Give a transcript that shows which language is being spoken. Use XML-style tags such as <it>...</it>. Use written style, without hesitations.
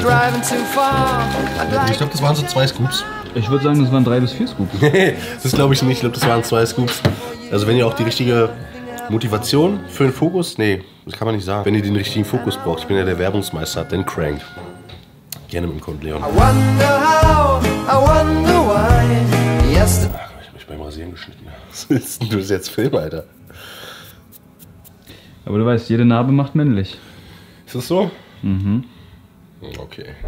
<en>driving too far.</en> <de>Ich glaube, das waren so zwei Scoops. Ich würde sagen, das waren 3 bis 4 Scoops. Das glaube ich nicht, ich glaube, das waren 2 Scoops. Also wenn ihr auch die richtige Motivation für den Fokus, nee, das kann man nicht sagen. Wenn ihr den richtigen Fokus braucht, ich bin ja der Werbungsmeister, dann crank. Gerne mit dem Kunden, Leon.</de> <en>I wonder how, I wonder why.</en> <de>Ach, ich hab mich beim Rasieren geschnitten. Du bist jetzt Film, Alter. Aber du weißt, jede Narbe macht männlich. Ist das so? Mhm. Okay.</de>